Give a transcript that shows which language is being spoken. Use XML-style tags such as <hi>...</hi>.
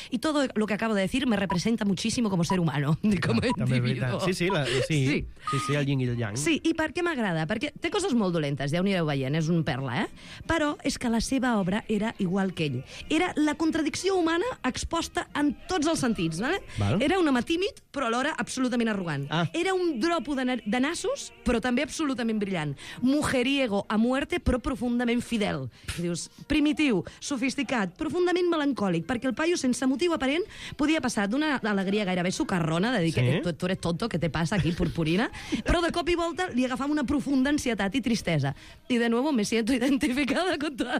<ca>I tot lo que acabo de dir</ca> <es>me representa muchísimo como ser humano. Ah, como individuo.</es> <ca>Sí, el yin i el yang. Sí, i per què m'agrada? Perquè té coses molt dolentes, ja ho anireu veient, és un perla, eh? Però és que la seva obra era igual que ell. Era la contradicció humana exposta en tots els sentits, no? Era un home tímid, però alhora absolutament arrogant. Ah. Era un dropo de nassos, però també absolutament brillant.</ca> <es>Mujeriego a muerte,</es> <ca>però profundament fidel. Dius, primitiu, sofisticat, profundament melancòlic, perquè el paio, sense motiu aparent, podia passar d'una alegria gairebé socarrona, de dir</ca> <es>que tu eres tonto, que te passa aquí,</es> <ca>purpurina, però de cop i volta li agafava una profunda ansietat i tristesa.</ca> <es>I de nuevo me siento identificada con toda esta</es>